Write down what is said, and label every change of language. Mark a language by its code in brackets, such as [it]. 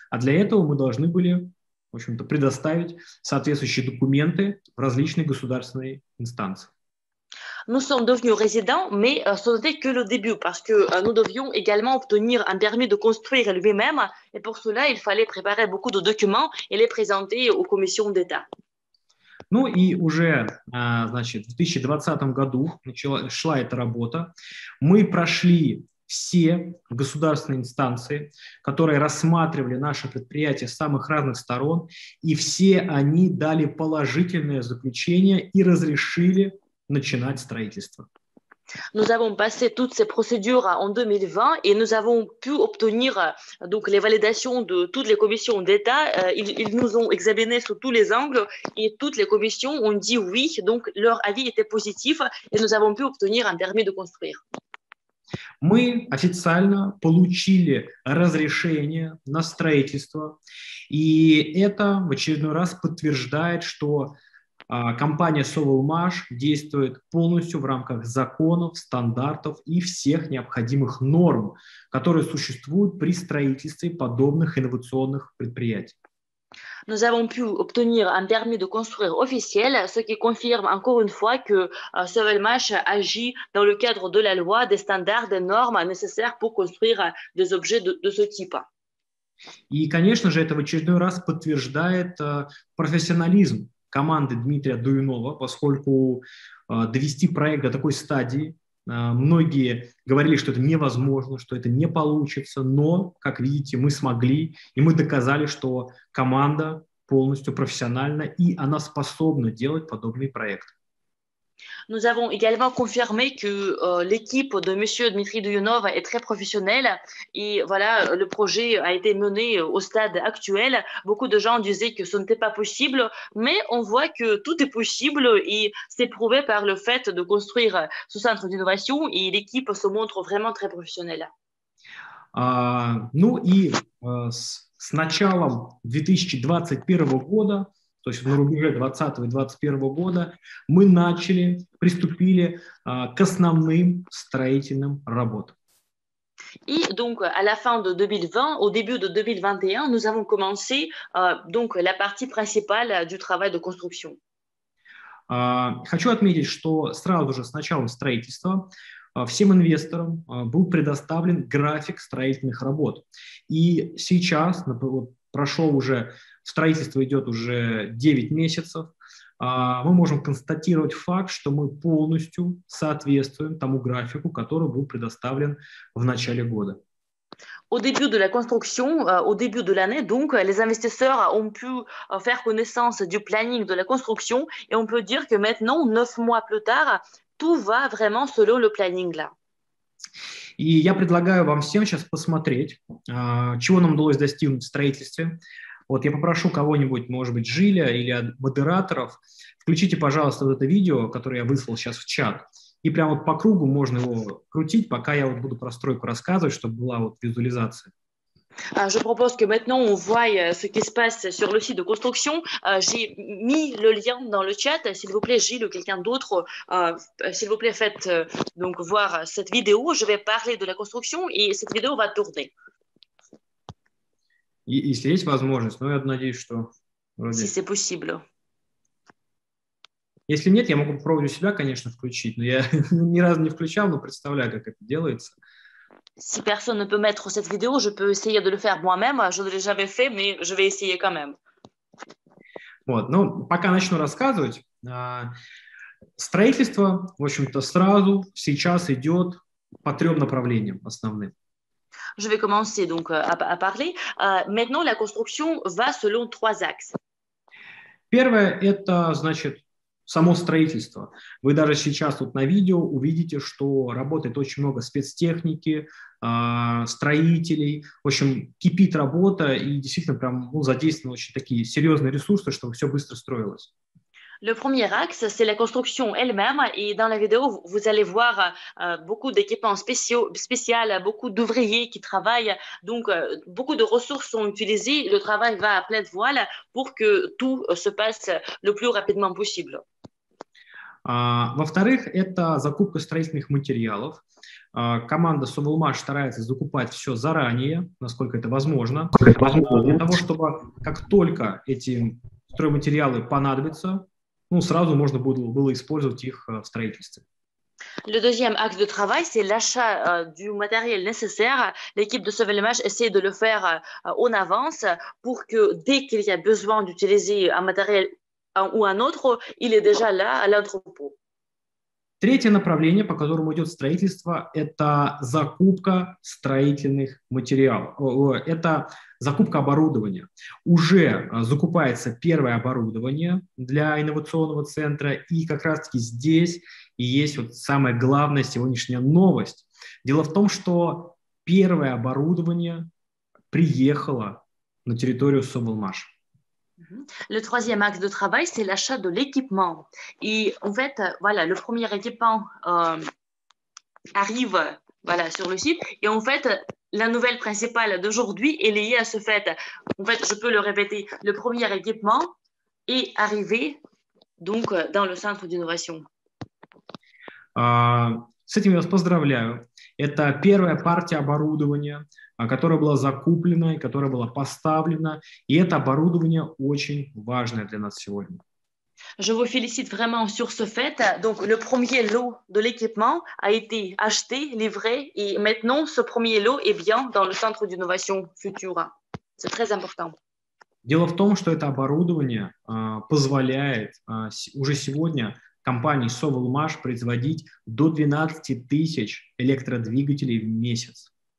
[ru] А для этого мы должны были, в общем-то, предоставить соответствующие документы в различные государственные инстанции. [fr] Nous sommes devenus résidents, mais ce n'était que le début, parce que nous devions également obtenir un permis de construire lui-même, et pour cela, il fallait préparer beaucoup de documents et les présenter aux commissions d'État. [ru] Ну и уже, значит, в 2020 году шла эта работа. Мы прошли все государственные инстанции, которые рассматривали наше предприятие с самых разных сторон, и все они дали положительное заключение и разрешили начинать строительство. [fr] Nous avons passé toutes ces procédures en 2020 et nous avons pu obtenir donc les validations de toutes les commissions d'État. Ils nous ont examiné sous tous les angles et toutes les commissions ont dit oui, donc leur avis était positif et nous avons pu obtenir un permis de construire. [ru] Мы официально получили разрешение на строительство, и это в очередной раз подтверждает, что компания Sovelmash действует полностью в рамках законов, стандартов и всех необходимых норм, которые существуют при строительстве подобных инновационных предприятий. [fr] Nous avons pu obtenir un permis de construire officiel, ce qui confirme encore une fois que Sovelmash agit dans le cadre de la loi, des standards, des normes nécessaires pour construire des objets de ce type. [ru] И, конечно же, это в очередной раз подтверждает профессионализм команды Дмитрия Дуйнова, поскольку довести проект до такой стадии, многие говорили, что это невозможно, что это не получится, но, как видите, мы смогли, и мы доказали, что команда полностью профессиональна, и она способна делать подобный проект. [fr] Nous avons également confirmé que l'équipe de Monsieur Dmitri Dujunov est très professionnelle et voilà, le projet a été mené au stade actuel. Beaucoup de gens disaient que ce n'était pas possible, mais on voit que tout est possible et c'est prouvé par le fait de construire ce centre d'innovation et l'équipe se montre vraiment très professionnelle. [ru] С началом 2021 года, то есть на рубеже 2020 и 2021 года, мы начали, приступили к основным строительным работам. [fr] И, donc, à la fin de 2020, au début de 2021, nous avons commencé donc la partie principale du travail de construction. [ru] Хочу отметить, что сразу же с началом строительства всем инвесторам был предоставлен график строительных работ. И сейчас, прошло уже, строительство идет уже 9 месяцев, мы можем констатировать факт, что мы полностью соответствуем тому графику, который был предоставлен в начале года. [fr] Au début de la construction, au début de l'année, donc, les investisseurs ont pu faire connaissance du planning de la construction et on peut dire que maintenant, 9 mois plus tard, tout va vraiment selon le planning là. [ru] И я предлагаю вам всем сейчас посмотреть, чего нам удалось достигнуть в строительстве. Вот я попрошу кого-нибудь, может быть, Жиля или модераторов, включите, пожалуйста, вот это видео, которое я выслал сейчас в чат. И прямо вот по кругу можно его крутить, пока я вот буду про стройку рассказывать, чтобы была вот визуализация. [fr] Je propose que maintenant on voit ce qui se passe sur le site de construction. J'ai mis le lien dans le chat. S'il vous plaît, Gilles ou quelqu'un d'autre, s'il vous plaît, faites donc voir cette vidéo. Je vais parler de la construction et cette vidéo va tourner. [ru] Если есть возможность, но я надеюсь, что... [fr] Si c'est possible. [ru] Если нет, я могу попробовать у себя, конечно, включить, но я ни разу не включал, но представляю, как это делается. [fr] Si personne ne peut mettre cette vidéo, je peux essayer de le faire moi-même. Je ne l'ai jamais fait, mais je vais essayer quand même. [ru] Вот, ну, пока начну рассказывать, строительство, в общем-то, сразу сейчас идет по трем направлениям основным. [fr] Je vais commencer donc à parler. Maintenant, la construction va selon trois axes. [ru] Первое, это, значит, само строительство. Вы даже сейчас вот на видео увидите, что работает очень много спецтехники, строителей. В общем, кипит работа и действительно прям ну, задействованы очень такие серьезные ресурсы, чтобы все быстро строилось. [fr] Le premier axe, c'est la construction elle-même. Et dans la vidéo, vous allez voir beaucoup d'équipements spéciaux, beaucoup d'ouvriers qui travaillent. Donc, beaucoup de ressources sont utilisées. Le travail va à pleine voile pour que tout se passe le plus rapidement possible. [ru] Во-вторых, это закупка строительных материалов. Команда Sovelmash старается закупать все заранее, насколько это возможно. Для того, чтобы как только эти стройматериалы понадобятся, ну, сразу можно было использовать их в строительстве. [fr] Le deuxième axe de travail, c'est l'achat du matériel nécessaire. L'équipe de Sovelmash essaie de le faire en avance pour que dès qu'il y a besoin d'utiliser un matériel ou un autre, il est déjà là à l'entrepôt. [ru] Третье направление, по которому идет строительство, это закупка строительных материалов. Это закупка оборудования. Уже закупается первое оборудование для инновационного центра, и как раз-таки здесь и есть вот самая главная сегодняшняя новость. Дело в том, что первое оборудование приехало на территорию Sovelmash. [fr] Le troisième axe de travail, c'est l'achat de l'équipement. Et en fait, voilà, le premier équipement arrive voilà, sur le site. Et en fait, la nouvelle principale d'aujourd'hui est liée à ce fait. En fait, je peux le répéter, le premier équipement est arrivé donc, dans le centre d'innovation. [ru] С этим я вас поздравляю. Это первая партия оборудования, которая была закуплена и которая была поставлена. И это оборудование очень важное для нас сегодня. [fr] Je vous félicite vraiment sur ce fait. Donc, le premier lot de l'équipement a été acheté, livré, et maintenant, ce premier lot est bien dans le centre d'innovation future. C'est très important. [ru] Дело в том, что это оборудование позволяет уже сегодня компании Sovelmash производить до 12 тысяч электродвигателей в месяц.